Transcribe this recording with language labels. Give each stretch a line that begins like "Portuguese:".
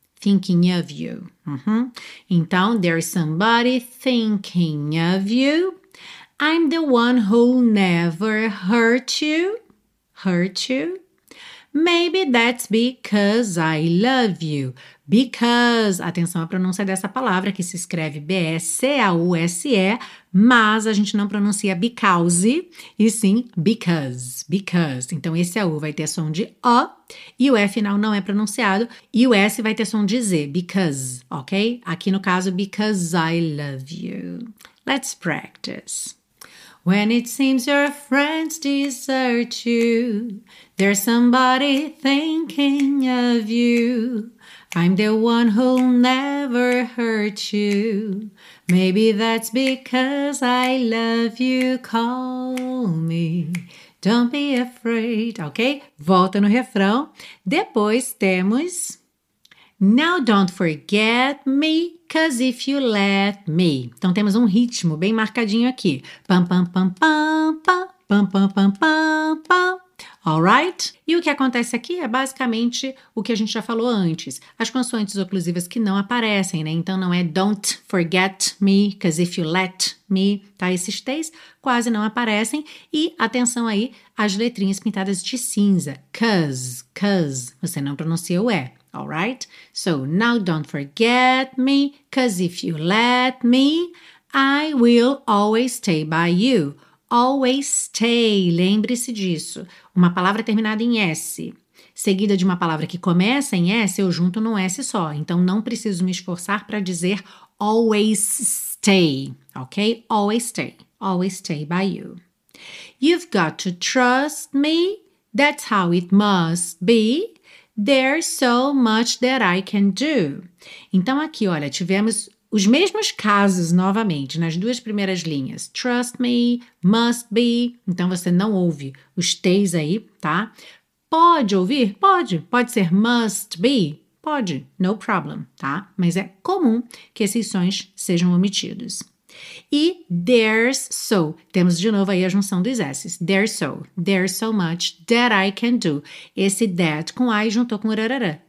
English: Thinking of you. Uhum.
Portuguese: Então,
English: there's somebody thinking of you. I'm the one who'll never hurt you. Hurt you. Maybe that's because I love you.
Portuguese: Because, atenção à pronúncia dessa palavra, que se escreve B-S-C-A-U-S-E, mas a gente não pronuncia because, e sim because, because. Então, esse A-U vai ter som de O, e o E final não é pronunciado, e o S vai ter som de Z, because, ok? Aqui no caso,
English: because I love you. Let's practice. When it seems your friends desert you, there's somebody thinking of you. I'm the one who'll never hurt you. Maybe that's because I love you. Call me. Don't be afraid. Ok?
Portuguese: Volta no refrão. Depois temos.
English: Now don't forget me, 'cause if you let me.
Portuguese: Então temos um ritmo bem marcadinho aqui. Pam, pam, pam, pam, pam, pam, pam, pam, pam.
English: Alright?
Portuguese: E o que acontece aqui é basicamente o que a gente já falou antes. As consoantes oclusivas que não aparecem, né? Então, não é
English: don't forget me, 'cause if you let me,
Portuguese: tá? Esses T's quase não aparecem. E atenção aí às letrinhas pintadas de cinza. 'Cause, 'cause, você não pronuncia o E.
English: Alright? So, now don't forget me, 'cause if you let me, I will always stay by you.
Portuguese: Always stay, lembre-se disso. Uma palavra terminada em S, seguida de uma palavra que começa em S, eu junto num S só. Então, não preciso me esforçar para dizer
English: always stay,
Portuguese: ok?
English: Always stay by you. You've got to trust me, that's how it must be. There's so much that I can do.
Portuguese: Então, aqui, olha, tivemos os mesmos casos novamente nas duas primeiras linhas.
English: Trust me, must be.
Portuguese: Então você não ouve os T's aí, tá? Pode ouvir? Pode. Pode ser
English: must be?
Portuguese: Pode.
English: No problem,
Portuguese: tá? Mas é comum que esses sons sejam omitidos. E
English: there's so.
Portuguese: Temos de novo aí a junção dos S's.
English: There's so much that I can do.
Portuguese: Esse that com I juntou com rarara.